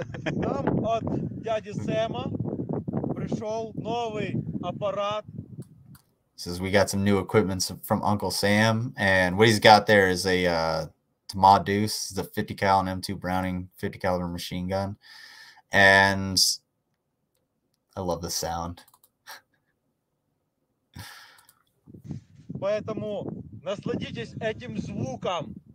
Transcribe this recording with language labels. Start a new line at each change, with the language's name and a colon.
Russian: Там от дяди Сэма пришел новый аппарат.
English: Says we got some new equipment from Uncle Sam, and what he's got there is a Tamad Deuce, the 50 cal and M2 Browning 50 caliber machine gun, and I love the sound.
Russian: Поэтому насладитесь этим звуком.